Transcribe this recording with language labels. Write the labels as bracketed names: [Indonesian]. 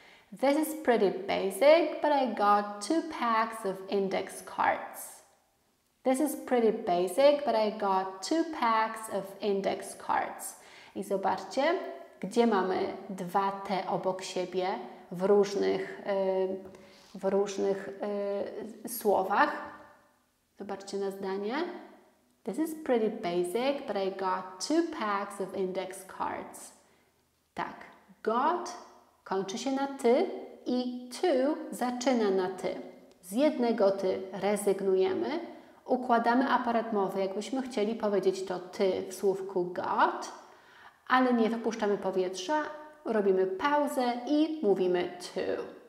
[English] This is pretty basic, but I got two packs of index cards. This is pretty basic, but I got two packs of index cards. [Polish] I zobaczcie, gdzie mamy dwa te obok siebie w różnych słowach. Zobaczcie na zdanie. [English] This is pretty basic, but I got two packs of index cards. [Polish] Tak, got kończy się na ty i to zaczyna na ty. Z jednego ty rezygnujemy. Układamy aparat mowy, jakbyśmy chcieli powiedzieć to ty w słówku got, ale nie wypuszczamy powietrza, robimy pauzę i mówimy to.